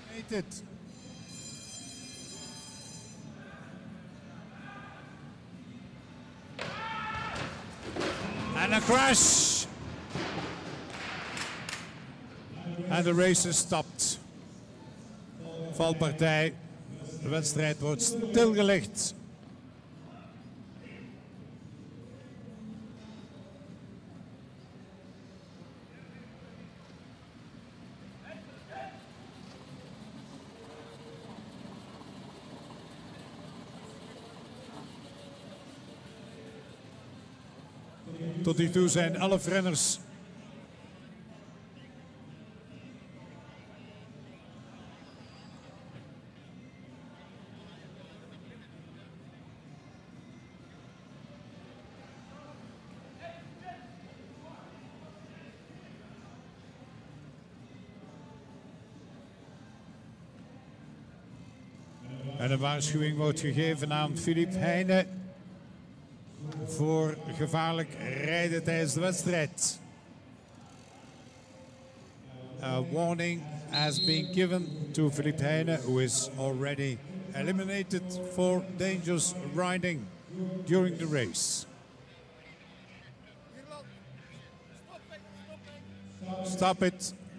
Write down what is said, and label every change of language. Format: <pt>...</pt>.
<en>It. And a crash, and the race is stopped.</en> <nl>Valpartij, de wedstrijd wordt stilgelegd. Tot hiertoe zijn 11 renners. En een waarschuwing wordt gegeven aan Philippe Heijnen voor gevaarlijk rijden tijdens de wedstrijd.</nl> <en>A warning has been given to Philippe Heijnen, who is already eliminated for dangerous riding during the race. Stop it.</en>